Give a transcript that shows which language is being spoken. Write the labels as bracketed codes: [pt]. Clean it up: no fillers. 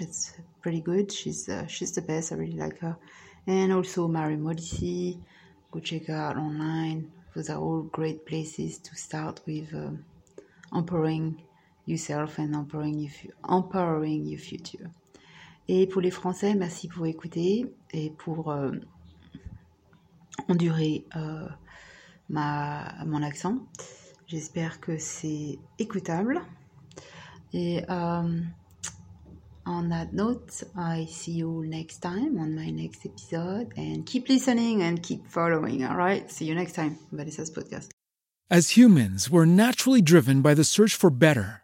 [en] It's pretty good. She's the best. I really like her. And also Mari Modisi, go check her out online. Those are all great places to start with empowering yourself and empowering your future. [fr] Et pour les Français, merci pour écouter et pour endurer mon accent. J'espère que c'est écoutable. [en] Et on that note, I see you next time on my next episode. And keep listening and keep following, all right? See you next time. Vanessa's podcast. As humans, we're naturally driven by the search for better.